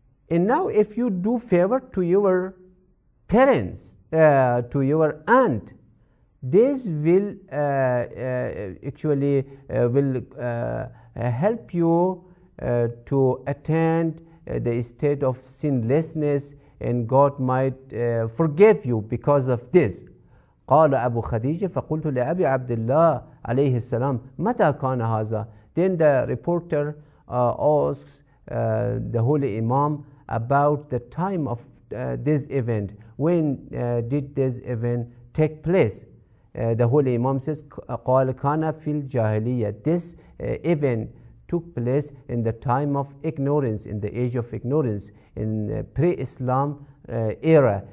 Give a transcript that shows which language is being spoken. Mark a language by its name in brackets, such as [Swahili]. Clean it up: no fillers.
[English] And now if you do favor to your parents, to your aunt, this will help you to attend the state of sinlessness, and God might forgive you because of this. [Arabic] قال أبو خديجة فقلت لأبي عبد الله عليه السلام متى كان هذا. [English] Then the reporter asks the Holy Imam about the time of this event. When did this event take place? The Holy Imam says, [Arabic] قَالَ كَانَ فِي الْجَاهِلِيَّةِ. [English] This event took place in the time of ignorance, in the age of ignorance, in pre-Islam era.